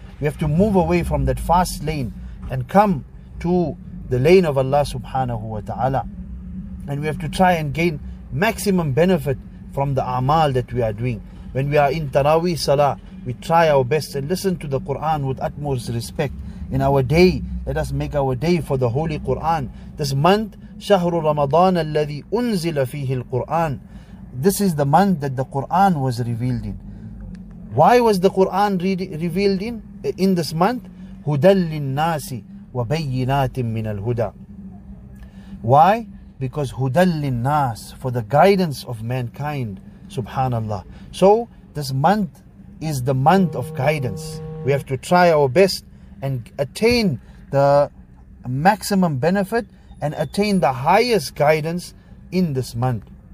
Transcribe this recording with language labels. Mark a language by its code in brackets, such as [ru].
[en] We have to move away from that fast lane and come to the lane of Allah subhanahu wa ta'ala. And we have to try and gain maximum benefit from the a'mal that we are doing. When we are in Taraweeh Salah, we try our best and listen to the Quran with utmost respect. In our day, let us make our day for the Holy Quran. This month, [ar] شهر رمضان الذي أنزل فيه القرآن. [en] This is the month that the Quran was revealed in. Why was the Quran revealed in this month? [ar] هدى للناس وبينات من الهدى. [en] Why? Because [ar] هدى للناس, [en] for the guidance of mankind, subhanallah. So this month is the month of guidance. We have to try our best and attain the maximum benefit and attain the highest guidance in this month.